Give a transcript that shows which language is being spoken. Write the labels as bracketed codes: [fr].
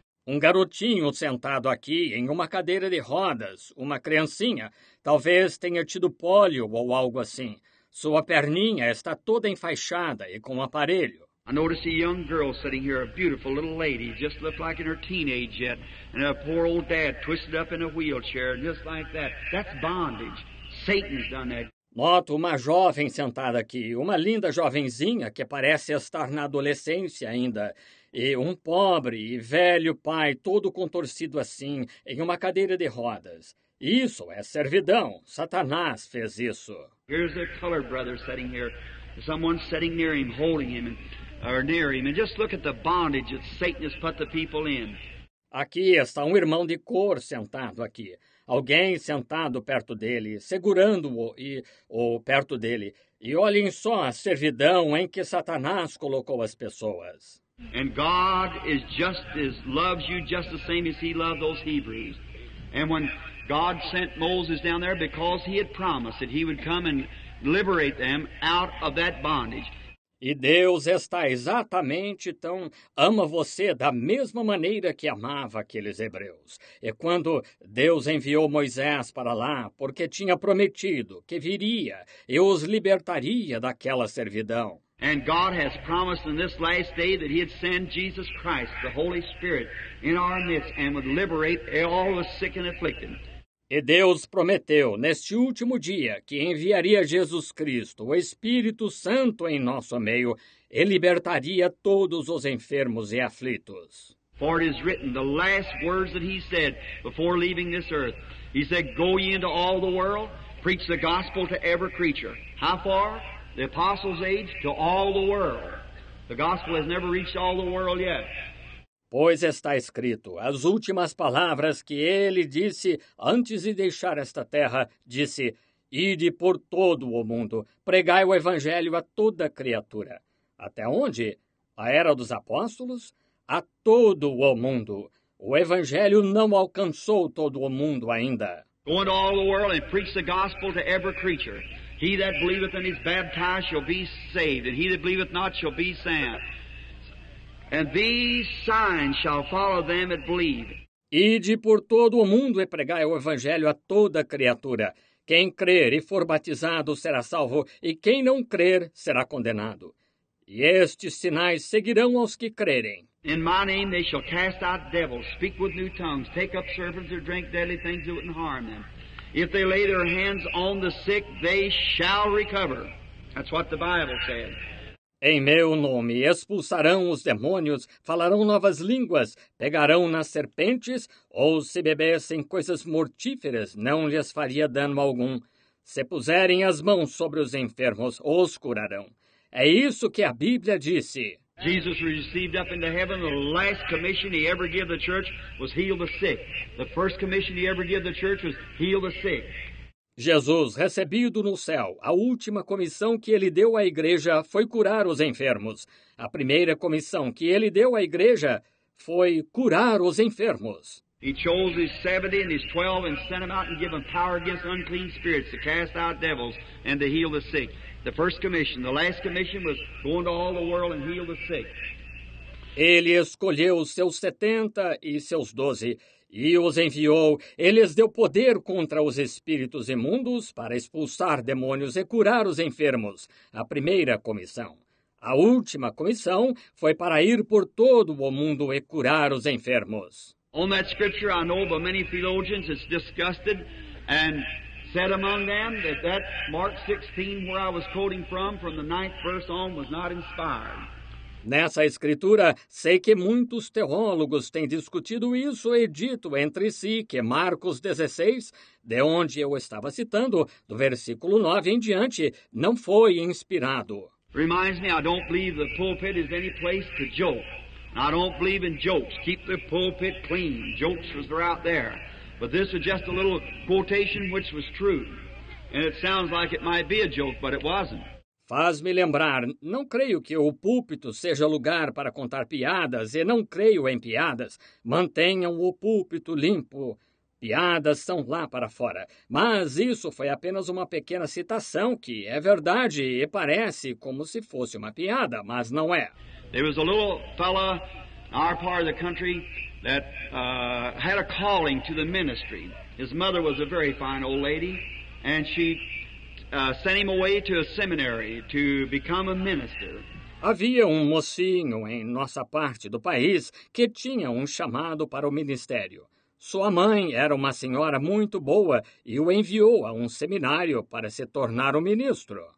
[pt] Um garotinho sentado aqui em uma cadeira de rodas, uma criancinha, talvez tenha tido polio ou algo assim. Sua perninha está toda enfaixada e com um aparelho. [en] I notice a young girl sitting here, a beautiful little lady, just looked like in her teenage yet, and a poor old dad twisted up in a wheelchair, just like that. That's bondage. Satan's done that. [pt] Noto uma jovem sentada aqui, uma linda jovenzinha que parece estar na adolescência ainda, e um pobre e velho pai todo contorcido assim, em uma cadeira de rodas. Isso é servidão. Satanás fez isso. [en] Here's a colored brother sitting here. Someone sitting near him, holding him, or near him. And just look at the bondage that Satan has put the people in. [pt] Aqui está um irmão de cor sentado aqui. Alguém sentado perto dele, segurando-o ou perto dele. E olhem só a servidão em que Satanás colocou as pessoas. [en] And God is just as loves you just the same as he loved those Hebrews. And when God sent Moses down there because he had promised that he would come and liberate them out of that bondage. [pt] E Deus está exatamente tão ama você da mesma maneira que amava aqueles hebreus. E quando Deus enviou Moisés para lá, porque tinha prometido que viria e os libertaria daquela servidão. [en] And God has promised in this last day that he'd send Jesus Christ, the Holy Spirit, in our midst and would liberate all the sick and afflicted. [pt] E Deus prometeu, neste último dia, que enviaria Jesus Cristo, o Espírito Santo, em nosso meio, e libertaria todos os enfermos e aflitos. [en] For it is written, the last words that he said before leaving this earth, he said, go ye into all the world, preach the gospel to every creature. How far? The apostles' age? To all the world. The gospel has never reached all the world yet. [pt] Pois está escrito, as últimas palavras que ele disse antes de deixar esta terra, disse, ide por todo o mundo, pregai o evangelho a toda criatura. Até onde? A era dos apóstolos? A todo o mundo. O evangelho não alcançou todo o mundo ainda. [en] Go into all the world and preach the gospel to every creature. He that believeth and is baptized shall be saved, and he that believeth not shall be saved. And these signs shall follow them that believe. [pt] Ide por todo o mundo e pregai o evangelho a toda criatura. Quem crer e for batizado será salvo, e quem não crer será condenado. E estes sinais seguirão aos que crerem. [en] In my name they shall cast out devils, speak with new tongues, take up serpents or drink deadly things that wouldn't harm them. If they lay their hands on the sick, they shall recover. That's what the Bible said. [pt] Em meu nome expulsarão os demônios, falarão novas línguas, pegarão nas serpentes, ou se bebessem coisas mortíferas, não lhes faria dano algum. Se puserem as mãos sobre os enfermos, os curarão. É isso que a Bíblia disse. [en] Jesus received up into heaven, the last commission he ever gave the church was heal the sick. The first commission he ever gave the church was heal the sick. [pt] Jesus, recebido no céu, a última comissão que ele deu à igreja foi curar os enfermos. A primeira comissão que ele deu à igreja foi curar os enfermos. [en] He chose his 70 and his 12 and sent them out and gave them power against unclean spirits to cast out devils and to heal the sick. The first commission, the last commission was go into all the world and heal the sick. [pt] Ele escolheu os seus 70 e seus 12 e os enviou. Ele lhes deu poder contra os espíritos imundos para expulsar demônios e curar os enfermos. A primeira comissão. A última comissão foi para ir por todo o mundo e curar os enfermos. [en] On that scripture, I know, but many theologians, it's disgusted and said among them that that Mark 16, where I was quoting from the ninth verse on, was not inspired. [pt] Nessa escritura, sei que muitos teólogos têm discutido isso e dito entre si que Marcos 16, de onde eu estava citando, do versículo 9 em diante, não foi inspirado. [en] Reminds me, I don't believe the pulpit is any place to joke. I don't believe in jokes. Keep the pulpit clean. Jokes was out there. But this is just a little quotation which was true. And it sounds like it might be a joke, but it wasn't. [pt] Faz-me lembrar, não creio que o púlpito seja lugar para contar piadas, e não creio em piadas. Mantenham o púlpito limpo. Piadas são lá para fora. Mas isso foi apenas uma pequena citação que é verdade e parece como se fosse uma piada, mas não é. [en] There was a little fella in our part of the country that had a calling to the ministry. His mother was a very fine old lady, and she sent him away to a seminary to become a minister. [pt] Havia um mocinho em nossa parte do país que tinha um chamado para o ministério. Sua mãe era uma senhora muito boa e o enviou a um seminário para se tornar um ministro.